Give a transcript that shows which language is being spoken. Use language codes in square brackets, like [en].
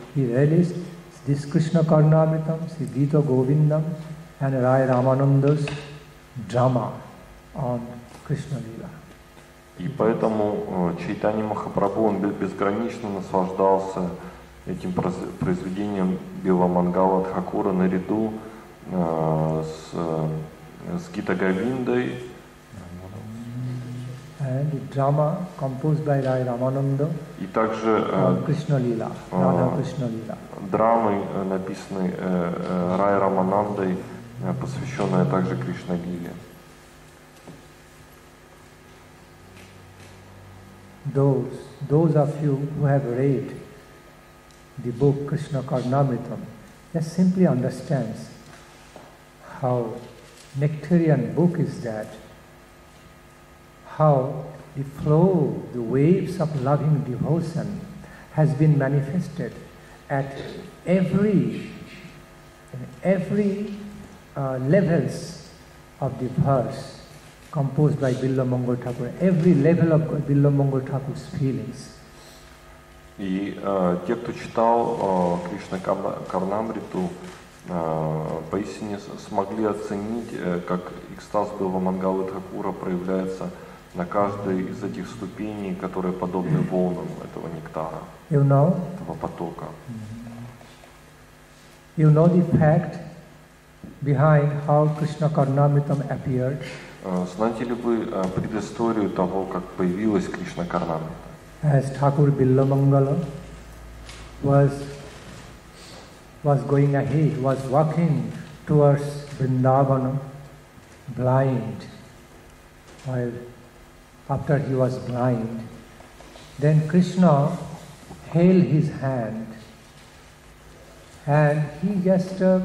[en] He relished this Krishna Karnamritam, Sri Gita Govindam, and Rai Ramananda's drama on Krishna Lila. [ru] И поэтому Чайтани Махапрабху, он безгранично наслаждался этим произведением Била Мангала Тхакура наряду с Гита Говиндой. [en] And the drama composed by Rai Ramananda. [ru] И также [en] Krishna Lila, Krishna Lila. [ru] Драмы, написанные Рай Раманандой, посвященная также Кришна Лиле. [en] Those of you who have read the book Krishna Karnamritam, just simply understands how nectarian book is that. How the flow, the waves of loving devotion has been manifested at every levels of the verse composed by Billa Mangal Thakur, every level of Billa Mangal Thakur's feelings. [ru] И те, кто читал Кришна Карнамриту, поистине смогли оценить, как экстаз Билла Мангалы Тхакура проявляется на каждой из этих ступеней, которые подобны волнам этого нектара, [en] you know? [ru] Этого потока. [en] You know the fact behind how Krishna Karnamritam appeared? [ru] Знаете ли вы предысторию того, как появилась Кришна Карнамрита? [en] As Thakur Billa Mangala was going ahead, was walking towards Vrindavana, blind, while after he was blind, then Krishna held his hand and he just